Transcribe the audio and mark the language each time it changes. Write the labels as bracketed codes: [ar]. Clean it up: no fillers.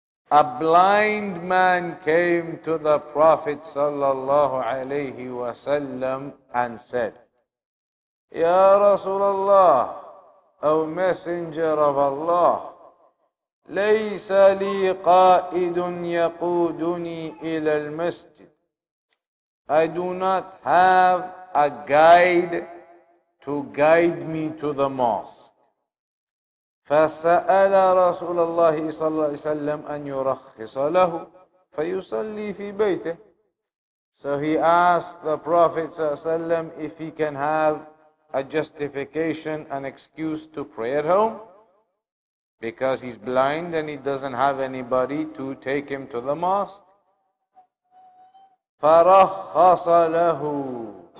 [en] A blind man came to the Prophet [ar] صلى الله عليه وسلم [en] and said, [ar] يا رسول الله, [en] O Messenger of Allah, [ar] ليس لي قائد يقودني إلى المسجد. [en] I do not have a guide to guide me to the mosque. [ar] فسأل رسول الله صلى الله عليه وسلم أن يرخص له فيصلي في بيته. [en] So he asked the Prophet [ar] صلى الله عليه وسلم [en] if he can have a justification, an excuse to pray at home, because he's blind and he doesn't have anybody to take him to the mosque. [ar] فرخص له.